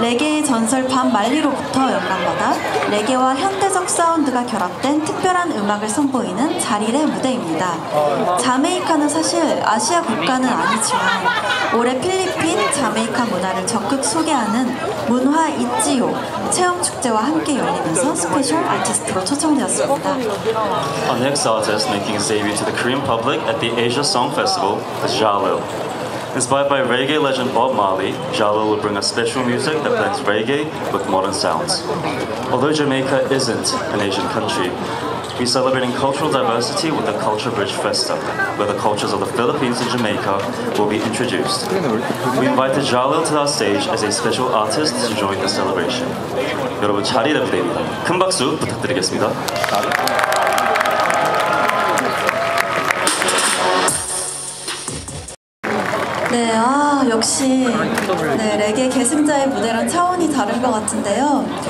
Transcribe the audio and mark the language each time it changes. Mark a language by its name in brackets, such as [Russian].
[Korean] 레게의 전설 밤 말리로부터 영감받아 레게와 현대적 사운드가 결합된 특별한 음악을 선보이는 자릴의 무대입니다. 자메이카는 사실 아시아 국가는 아니지만 올해 필리핀, 자메이카 문화를 적극 소개하는 문화 있지요 체험축제와 함께 열리면서 스페셜 아티스트로 초청되었습니다. [English] Our next artist making his debut to the Korean public at the Asia Song Festival is Ja Lil. Inspired by reggae legend Bob Marley, Ja Lil will bring a special music that blends reggae with modern sounds. Although Jamaica isn't an Asian country, we're celebrating cultural diversity with the Culture Bridge Festa, where the cultures of the Philippines and Jamaica will be introduced. We invited Ja Lil to our stage as a special artist to join the celebration. [Korean] 여러분, 자리를 부탁드립니다. 큰 박수 부탁드리겠습니다. 네, 아, 역시 네, 레게 계승자의 무대랑 차원이 다른 것 같은데요.